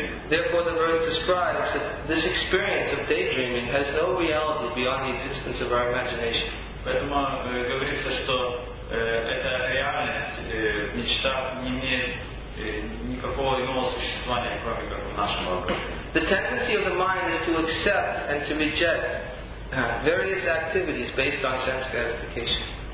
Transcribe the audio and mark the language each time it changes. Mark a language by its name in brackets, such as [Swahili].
[English] Therefore, the verse describes that this experience of daydreaming has no reality beyond the existence of our imagination. [Russian] Поэтому говорится, что эта реальность, мечта, не имеет никакого иного существования, кроме как в нашем воображении. [English] The tendency of the mind is to accept and to reject various activities based on sense gratification.